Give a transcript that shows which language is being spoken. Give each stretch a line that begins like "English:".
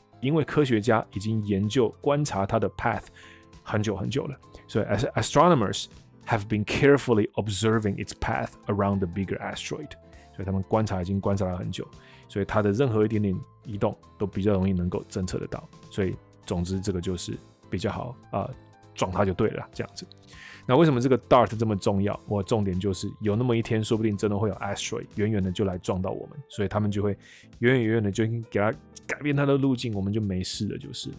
Chinese: 因为科学家已经研究观察它的 path 很久很久了。
English: 所以 astronomers have been carefully observing its path around the bigger asteroid.
Chinese: 所以他们观察已经观察了很久，所以它的任何一点点移动都比较容易能够侦测得到。所以总之这个就是比较好啊，撞它就对了这样子。那为什么这个 DART 这么重要？我重点就是有那么一天，说不定真的会有 asteroid 远远的就来撞到我们，所以他们就会远远的就给它改变它的路径，我们就没事了，就是。